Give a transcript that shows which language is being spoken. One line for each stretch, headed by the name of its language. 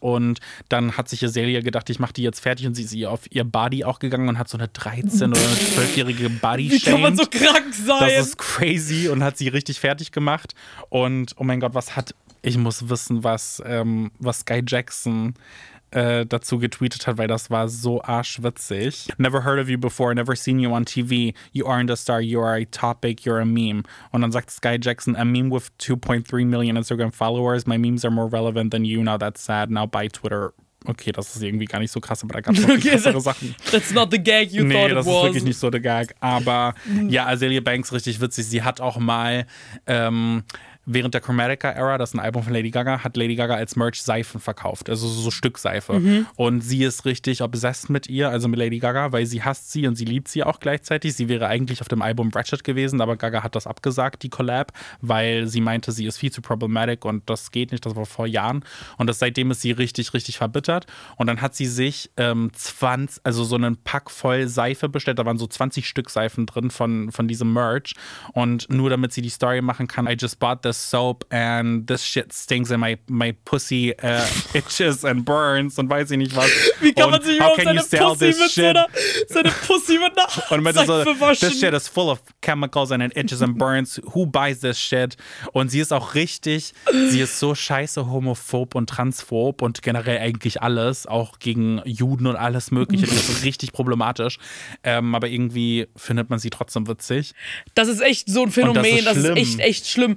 German: Und dann hat sich Azalea gedacht, ich mache die jetzt fertig. Und sie ist auf ihr Body auch gegangen und hat so eine 13- oder eine 12-jährige Body shamed. Wie kann man so krank sein? Das ist crazy. Und hat sie richtig fertig gemacht. Und oh mein Gott, ich muss wissen, was Sky Jackson dazu getweetet hat, weil das war so arschwitzig.
English: Never heard of you before, never seen you on TV. You aren't a star, you are a topic, you're a meme.
German: Und dann sagt
English: Sky Jackson, a meme with 2.3 million Instagram followers. My memes are more relevant than you, now that's sad. Now buy Twitter.
German: Okay, das ist irgendwie gar nicht so krass, aber da gab es noch viel krassere Sachen.
English: That's not the gag you thought it was.
German: Nee, das ist wirklich nicht so der Gag. Aber ja, Azalea Banks, richtig witzig. Sie hat auch mal während der Chromatica-Era, das ist ein Album von Lady Gaga, hat Lady Gaga als Merch Seifen verkauft, also so Stückseife. Mhm. Und sie ist richtig obsessed mit ihr, also mit Lady Gaga, weil sie hasst sie und sie liebt sie auch gleichzeitig. Sie wäre eigentlich auf dem Album Ratchet gewesen, aber Gaga hat das abgesagt, die Collab, weil sie meinte, sie ist viel zu problematic und das geht nicht, das war vor Jahren. Und seitdem ist sie richtig, richtig verbittert. Und dann hat sie sich 20, also so einen Pack voll Seife bestellt, da waren so 20 Stück Seifen drin von diesem Merch. Und nur damit sie die Story machen kann,
English: I just bought this soap and this shit stinks and my pussy itches and burns
German: und weiß ich nicht was. Wie kann man und sich überhaupt seine Pussy mit einer Seife so, waschen?
English: This shit is full of chemicals and it itches and burns. Who buys this shit?
German: Und sie ist auch richtig, sie ist so scheiße homophob und transphob und generell eigentlich alles, auch gegen Juden und alles mögliche. Das ist richtig problematisch. Aber irgendwie findet man sie trotzdem witzig. Das ist echt so ein Phänomen. Das ist echt, echt schlimm.